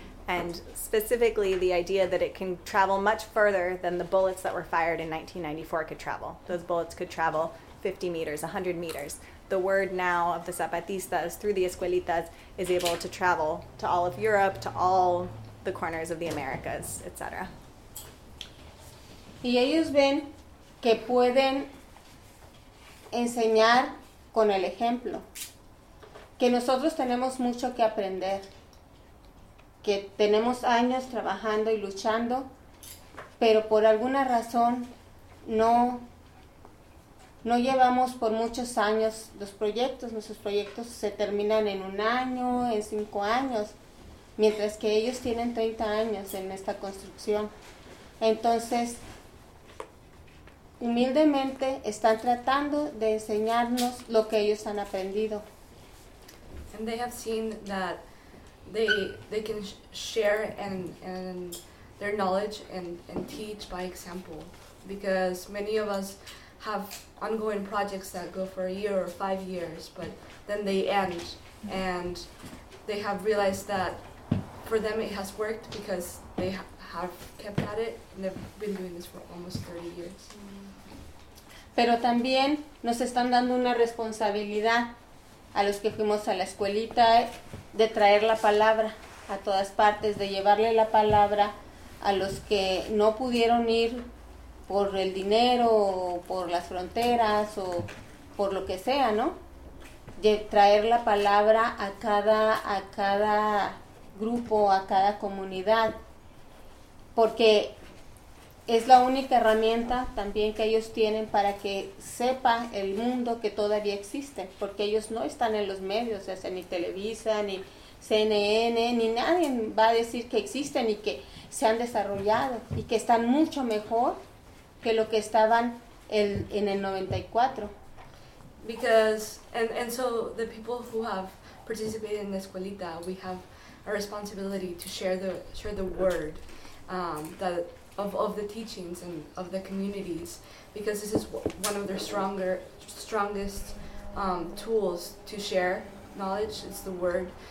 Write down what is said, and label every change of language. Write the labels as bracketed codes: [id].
[en] And specifically, the idea that it can travel much further than the bullets that were fired in 1994 could travel. Those bullets could travel 50 meters, 100 meters. The word now of the Zapatistas through the Escuelitas is able to travel to all of Europe, to all the corners of the Americas, etc. [es] Y ellos ven que pueden enseñar con el ejemplo, que nosotros tenemos mucho que aprender, que tenemos años trabajando y luchando, pero por alguna razón no llevamos por muchos años los proyectos. Nuestros proyectos se terminan en un año, en 5 años, mientras que ellos tienen 30 años en esta construcción. Entonces, humildemente están tratando de enseñarnos lo que ellos han aprendido. [en] And they have seen that they can share and their knowledge and teach by example, because many of us have ongoing projects that go for a year or 5 years, but then they end, and they have realized that for them it has worked because they have kept at it, and they've been doing this for almost 30 years. [es] Pero también nos están dando una responsabilidad a los que fuimos a la escuelita de traer la palabra a todas partes, de llevarle la palabra a los que no pudieron ir por el dinero o por las fronteras o por lo que sea, ¿no? De traer la palabra a cada grupo, a cada comunidad, porque es la única herramienta también que ellos tienen para que sepa el mundo que todavía existe, porque ellos no están en los medios, o sea, ni Televisa, ni CNN, ni nadie va a decir que existen y que se han desarrollado y que están mucho mejor que lo que estaban en el 94. [en] Because, and so the people who have participated in the Escuelita, we have a responsibility to share the word of the teachings and of the communities, because this is one of their strongest tools to share knowledge. It's the word.